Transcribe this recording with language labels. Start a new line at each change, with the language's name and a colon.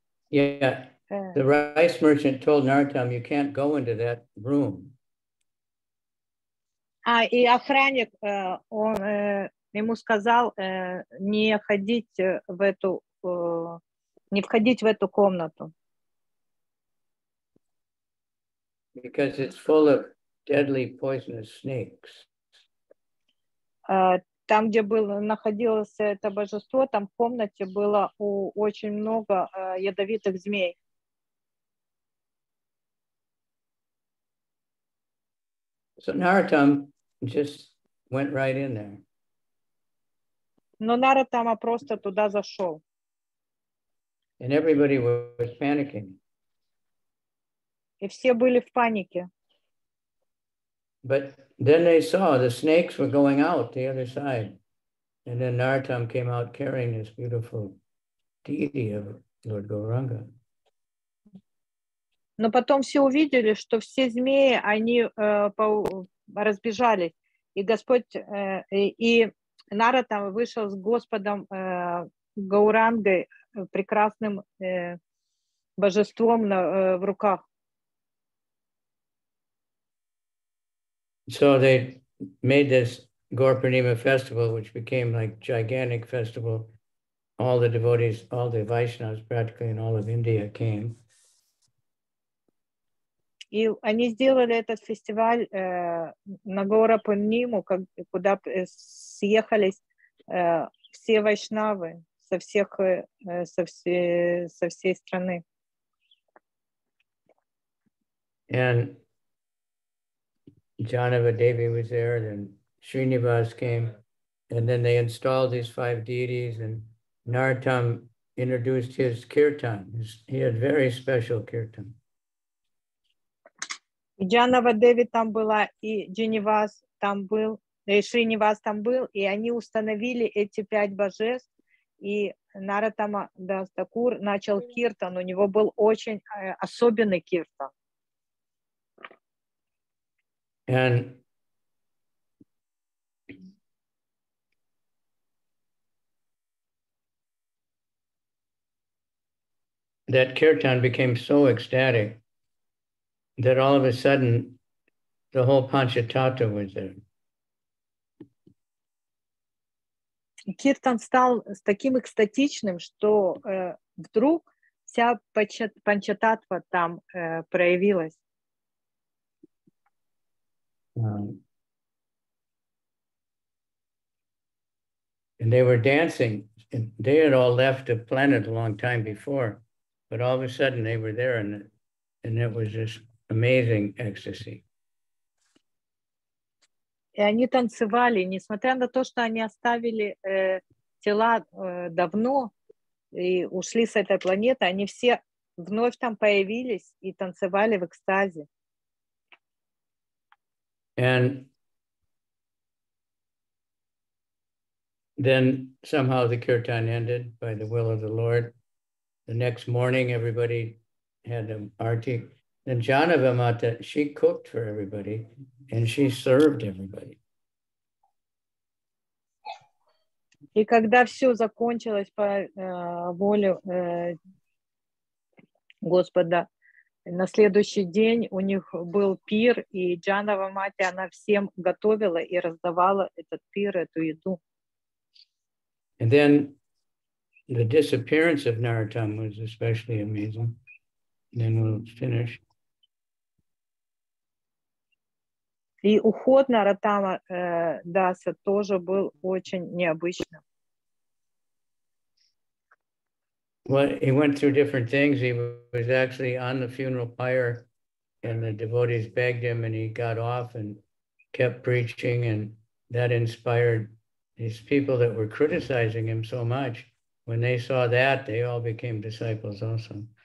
English: Yeah, the rice merchant told Narottam, you can't go into that room.
Russian: И охранник, он ему сказал, не ходить в эту, не входить в эту комнату.
English: Because it's full of deadly poisonous snakes.
Russian: Там, где находилось это божество, там в комнате было очень много ядовитых змей.
English: So Narottam just went right in there.
Russian: Но Нараттама просто туда зашел.
English: And everybody was panicking.
Russian: И все были в панике.
English: But then they saw the snakes were going out the other side. And then Narottam came out carrying this beautiful deity of Lord Gauranga.
Russian: Но потом все увидели, что все змеи, они разбежались. И Господь, и Нараттам вышел с Господом Гаурангой, прекрасным божеством в руках.
English: So they made this Gaurpurnima festival, which became like gigantic festival. All the devotees, all the Vaishnavas practically in all of India came.
Russian: И они сделали этот фестиваль на Гаурпурниму, куда съехались все вайшнавы со всей страны.
English: And Janava Devi was there, then Srinivas came, and then they installed these 5 deities, and Narottam introduced his kirtan. He had very special kirtan.
Russian: Janava Devi там была, и Janivas там был, и Srinivas там был, и они установили эти 5 божеств, и Narottama Dastakur начал kirtan. У него был очень особенный kirtan.
English: And that kirtan became so ecstatic that all of a sudden the whole panchatattva was there.
Russian: Киртан стал таким экстатичным, что вдруг вся панчататва там проявилась.
English: And they were dancing. They had all left the planet a long time before, but all of a sudden they were there, and it was just amazing ecstasy.
Russian: И они танцевали, несмотря на то, что они оставили тела давно и ушли с этой планеты, они все вновь там появились и танцевали в экстазе.
English: And then somehow the kirtan ended by the will of the Lord. The next morning everybody had an arti. Then Janava Mata, she cooked for everybody and she served everybody.
Russian: И когда все закончилось по воле Господа, на следующий день у них был пир, и Джанава Мати, она всем готовила и раздавала этот пир, эту еду.
English: And then the disappearance of Narottam was especially amazing. Then we'll finish.
Russian: И уход Нарутама Даса тоже был очень необычным.
English: Well, he went through different things. He was actually on the funeral pyre, and the devotees begged him, and he got off and kept preaching, and that inspired these people that were criticizing him so much. When they saw that, they all became disciples also.